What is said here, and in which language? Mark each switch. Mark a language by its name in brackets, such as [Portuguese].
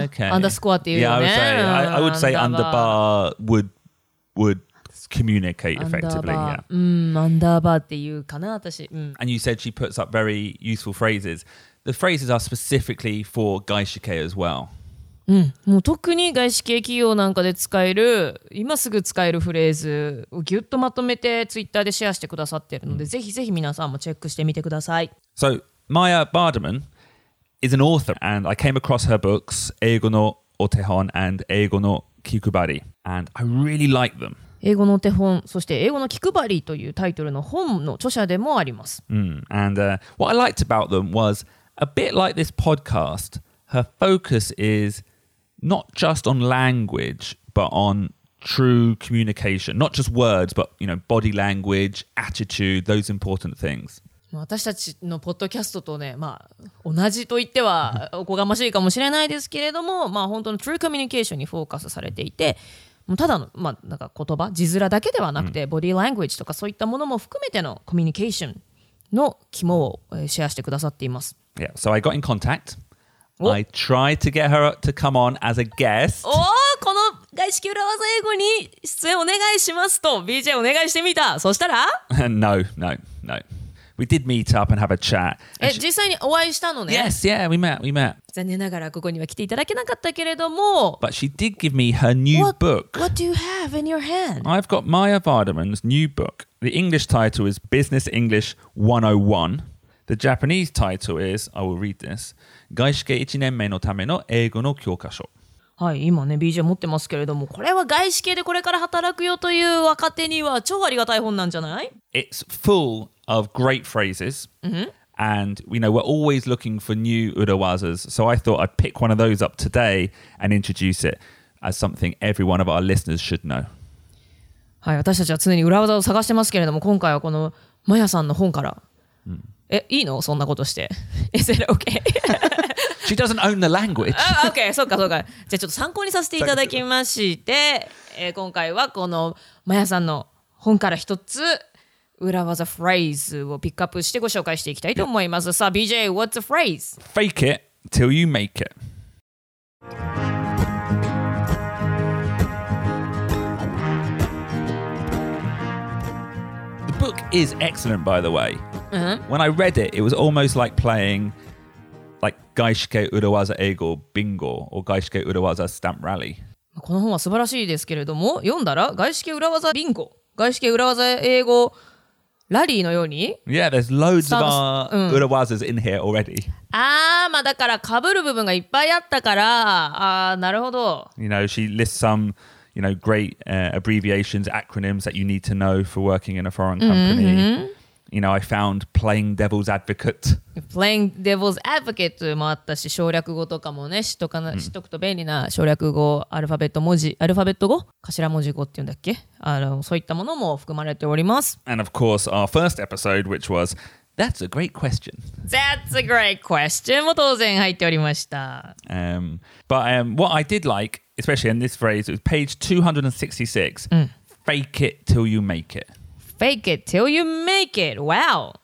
[English] okay. [Japanese] underscore っていうよね。 [English] Yeah, I would say underbar would communicate effectively. [Japanese] Underbar っていうかな私、 [English] And you said she puts up very useful phrases. The phrases are specifically for 外資系 as well. [Japanese] もう特に外資系企業なんかで使える今すぐ使えるフレーズをぎゅっとまとめてツイッターでシェアしてくださってるので、ぜひぜひ皆さんもチェックしてみてください。 [English] So Maya Bardaman is an author and I came across her books 英語のお手本 and 英語の気配り and I really like them. [Japanese] 英語のお手本そして英語の気配りというタイトルの本の著者でもあります。 [English] And what I liked about them was a bit like this podcast, her focus isNot just on language, but on true communication. Not just words, but you know, body language, attitude, those important things. [Japanese] 私たちのポッドキャストとね、まあ、同じと言ってはおこがましいかもしれないですけれども、まあ、本当の [English] True Communication [Japanese] にフォーカスされていて、もうただの、まあ、なんか言葉、字面だけではなくて、ボディーランゲージとかそういったものも含めてのコミュニケーションの肝をシェアしてくださっています。 [English] Yeah, so I got in contact. I tried to get her to come on as a guest. [Japanese] おお、この外資系裏技英語に出演お願いしますと BJ お願いしてみた。そしたら [English] No, no, no. We did meet up and have a chat. [Japanese] え、実際にお会いしたのね。 [English] Yes, yeah, we met, we met. [Japanese] 残念ながらここには来ていただけなかったけれども。 [English] But she did give me her new book. What do you have in your hand? I've got Maya Vardaman's new book. The English title is Business English 101. The Japanese title is, I will read this, 外資系1年目のための英語の教科書。 [Japanese] はい、今ね BJ 持ってますけれども、これは外資系でこれから働くよという若手には超ありがたい本なんじゃない？ [English] It's full of great phrases,、mm-hmm. and you know we're always looking for new urawazas. So I thought I'd pick one of those up today and introduce it as something every one of our listeners should know. [Japanese] はい、私たちは常に裏技を探してますけれども、今回はこのマヤさんの本から。え、いいの？そんなことして。 [English] Is it okay? She doesn't own the language. [Japanese] OK, そうかそうか。じゃあちょっと参考にさせていただきまして、今回はこのマヤさんの本から一つ裏技フレーズをピックアップしてご紹介していきたいと思います。 [English] さあ、BJ, what's the phrase? Fake it till you make it. The book is excellent, by the way. Uh-huh. When I read it, it was almost like playing like 外資系裏技英語 bingo or 外資系裏技 stamp rally. [Japanese] この本は素晴らしいですけれども、読んだら外資系裏技 bingo、外資系裏技英語ラリーのように。 [English] Yeah, there's loads of our 裏技 in here already. [Japanese] ああ、まあだから被る部分がいっぱいあったから、ああ、なるほど。 [English] You know, she lists some. You know, great、abbreviations, acronyms that you need to know for working in a foreign company.、Mm-hmm. You know, I found playing devil's advocate. Playing devil's advocate [Japanese] もあったし、省略語とかもね、知っとかな、知っとくと便利な省略語、アルファベット文字、アルファベット語、頭文字語っていうんだっけ？あの、そういったものも含まれております。 [English] And of course, our first episode, which was, that's a great question. That's a great question [Japanese] も当然入っておりました。 [English] But what I did like,Especially in this phrase, it was page 266.、Fake it till you make it. Fake it till you make it. Wow.